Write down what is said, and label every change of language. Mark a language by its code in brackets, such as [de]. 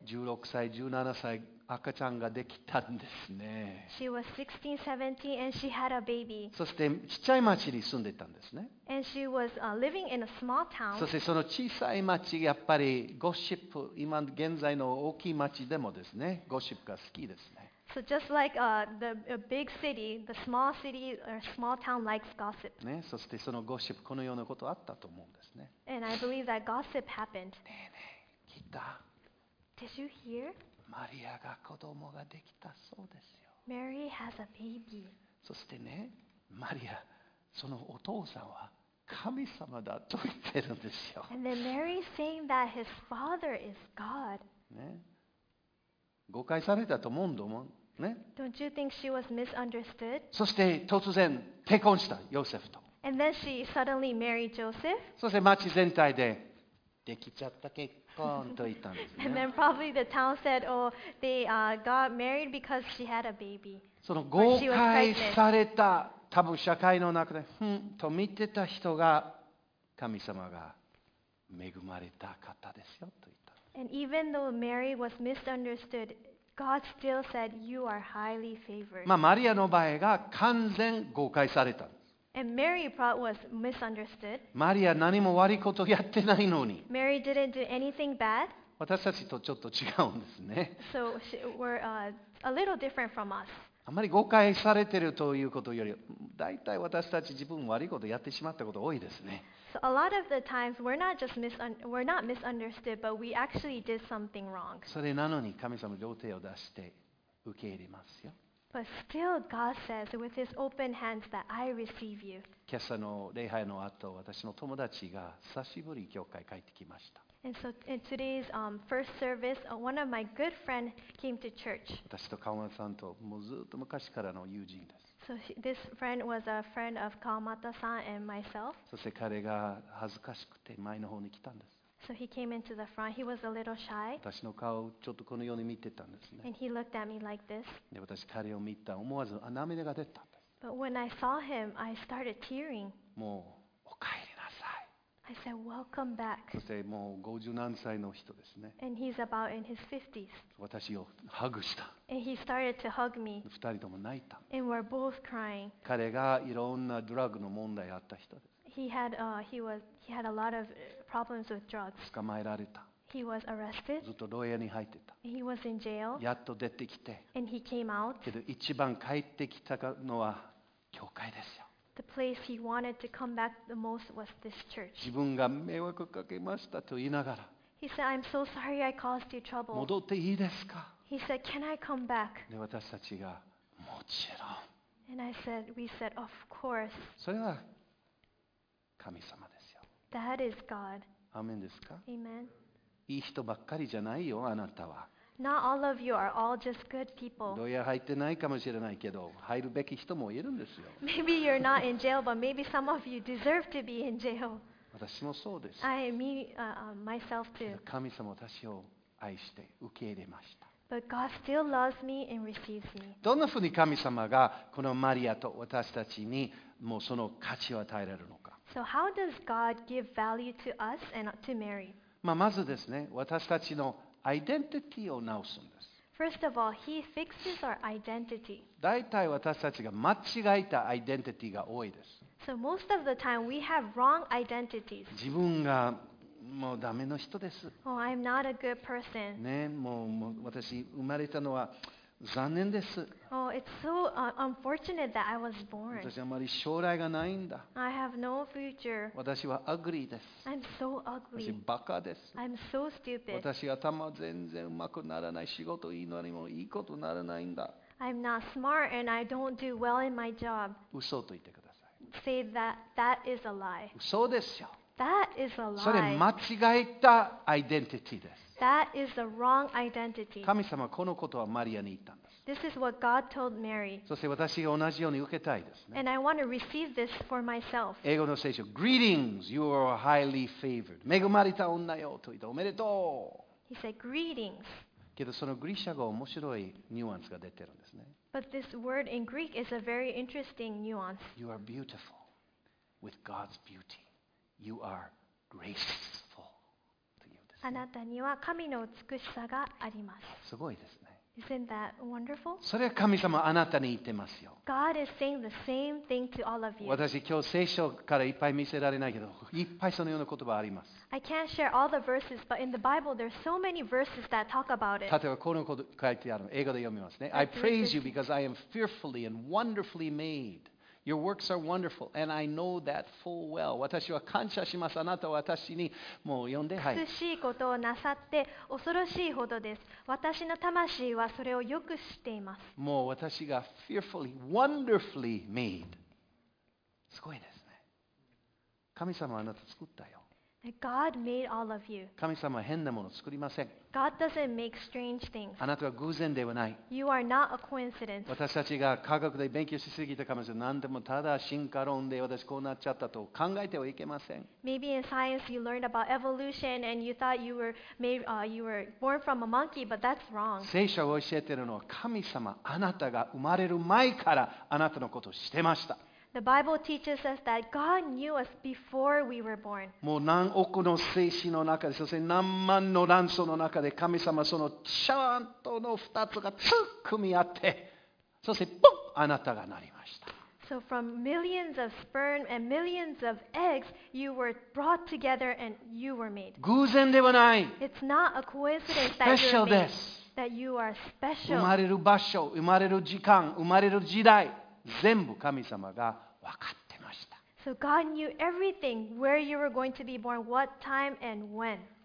[ja] 16歳、17歳、赤ちゃんができたんですね。 [en] She was 16, 17, and she had a baby. [ja] そして、ちっちゃい町に住んでたんですね。 [en] And she was living in a small town. [ja] そして、その小さい町、やっぱりゴシップ、今現在の大きい町でもですね、ゴシップが好きですね。 [en] So just like a big city, the small city or small town likes gossip. [ja] ね、そしてそのゴシップこのようなことあったと思うんですね。 [en] And I believe that gossip happened. [ja] ねえねえ、聞いた。 [en] Did you hear? [ja] マリアが子供ができたそうですよ。 [en] Mary has a baby. [ja] そしてね、マリア、そのお父さんは神様だと言ってるんですよ。 [en] And then Mary is saying that his father is God. [ja] ね。誤解されたと思うんだもん。ね、 [en] Don't you think she was misunderstood? [ja] そして突然結婚したヨセフと。 [en] And then she suddenly married Joseph. [ja] そして町全体でできちゃった結婚と言ったんですね。 [en] And then probably the town said, oh, they got married because she had a baby. [ja] その誤解された多分社会の中でふんと見てた人が神様が恵まれた方ですよと言った。 [en] And even though Mary was misunderstood, God still said, you are highly favored. [ja] まあマリアの場合が完全誤解された。 [en] And Mary was misunderstood. [ja] マリア何も悪いことやってないのに。 [en] Mary didn't do anything bad. [ja] 私たちとちょっと違うんですね。 [en] So we're a little different from us. [ja] あまり誤解されているということより、大体私たち自分悪いことやってしまったこと多いですね。 [en] So a lot of the times we're not just we're not misunderstood, but we actually did something wrong. [ja] それなのに神様両手を出して受け入れますよ。 [en] But still God says with his open hands that I receive you. [ja] 今朝の礼拝の後、私の友達が久しぶり教会帰ってきました。 [en] And so in today's first service, one of my good friends came to church. [ja] 私と川又さんともうずっと昔からの友人です。 [en] So this friend was a friend of 川又さん and myself. [ja] そして彼が恥ずかしくて前の方に来たんです。 [en] So he came into the front. He was a little shy. [ja] 私の顔をちょっとこのように見てたんですね。 [en] And he looked at me like this. [ja] で私彼を見た思わず涙が出たんです。 [en] But when I saw him, I started tearing. [ja] もうお帰りなさい。 [en] I said, welcome back. [ja] そしてもう五十何歳の人ですね。 [en] And he's about in his 50s. [ja] 私をハグした。 [en] And he started to hug me. [ja] 二人とも泣いた。 [en] And we're both crying. [ja] 彼がいろんなドラッグの問題あった人です。 [en] He had a lot of problems with drugs. [ja] 捕まえられた。 [en] He was arrested. [ja] ずっと牢屋に入ってた。 [en] He was in jail. [ja] やっと出てきて。 [en] And he came out. [ja] けど一番帰ってきたのは教会ですよ。 [en] The place he wanted to come back the most was this church. [ja] 自分が迷惑をかけましたと言いながら。 [en] He said, "I'm so sorry I caused you trouble." [ja] 戻っていいですか [en] ？He said, "Can I come back?" [ja] で私たちがもちろん。 [en] And I said, "We said, of course." [ja] それは神様ですよ。 [en] That is God. [ja] アメンですか [en] ？Amen. [ja] いい人ばっかりじゃないよあなたは。 [en] Not all of you are all just good people. [ja] 牢屋入ってないかもしれないけど、入るべき人もいるんですよ。 [en] Maybe you're not in jail, but maybe some of you deserve to be in jail. [ja] 私もそうです。 [en] myself too. [ja] 神様私を愛して受け入れました。 [en] But God still loves me and receives me. [ja] どんなふうに神様がこのマリアと私たちにもうその価値を与えられるのか。 [en] So how does God give value to us and to Mary? [ja] まずですね、私たちのアイデンティティを直すんです。 [en] First of all, he fixes our identity. [ja] 大体私たちが間違えたアイデンティティが多いです。 [en] So most of the time we have wrong identities. [ja] 自分がもうダメの人です。 [en] Oh, I'm not a good person. [ja] ね、もう私生まれたのは残念です。 [en] Oh, it's so unfortunate that I was born. [ja] 私あまり将来がないんだ。 [en] I have no future. [ja] 私はアグリです。 [en] I'm so ugly. [ja] 私バカです。 [en] I'm so stupid. [ja] 私頭全然うまくならない。仕事いいのにもいいことならないんだ。 [en] I'm not smart and I don't do well in my job. [ja] 嘘と言ってください。 [en] Say that is a lie. [ja] 嘘ですよ。 [en] That is a lie. [ja] それ間違えたアイデンティティです。 [en] That is the wrong identity. [ja] 神様はこのことはマリアに言ったんです。 [en] This is what God told Mary. [ja] そして私が同じように受けたいですね。 [en] And I want to receive this for myself. [ja] 英語の聖書、 [en] Greetings, you are highly favored. [ja] 恵まれた女よと言った。おめでとう。 [en] He said, Greetings. [ja] けどそのギリシャ語面白いニュアンスが出てるんですね。 [en] But this word in Greek is a very interesting nuance. You are beautiful with God's beauty. You are graceful. [ja] あなたには神の美しさがあります。すごいですね。 [en] Isn't that wonderful? [ja] それは神様あなたに言ってますよ。 [en] God is saying the same thing to all of you. [ja] 私今日聖書からいっぱい見せられないけど、いっぱいそのような言葉あります。 [en] I can't share all the verses, but in the Bible there are so many verses that talk about it. [ja] 例えばこのこと書いてあるの、英語で読みますね。 [en] I praise you because I am fearfully and wonderfully made. Your works are wonderful, and I know that full well. [ja] 私は感謝します。あなたは私にもう読んで、はい。美しいことをなさって恐ろしいほどです。私の魂はそれをよく知っています。もう私が [en] fearfully, wonderfully made。 [ja] すごいですね。神様はあなた作ったよ。 [en] God made all of you. [ja] 神様は変なものを作りません。 [en] God doesn't make strange things. [ja] あなたは偶然ではない。 [en] You are not a coincidence. [ja] 私たちが科学で勉強しすぎたかもしれない。何でもただ進化論で私こうなっちゃったと考えてはいけません。 [en] Maybe in science you learned about evolution and you thought you were made, you were born from a monkey, but that's wrong. [ja] 聖書を教えているのは神様、あなたが生まれる前からあなたのことをしてました。 [en] The Bible teaches us that God knew us before we were born. [ja] もう何億の精子の中で、そして何万の卵巣の中で、神様そのちゃんとの二つがつっ組み合って、そしてポッ、あなたがなりました。 [en] So from millions of sperm and millions of eggs, you were brought together and you were made. [ja] 偶然ではない。 [en] It's not a coincidence that you're made. That you are special. [ja] 生まれる場所、生まれる時間、生まれる時代。全部神様が分かってました。 [en] So God knew everything, where you were going to be born, what time and when.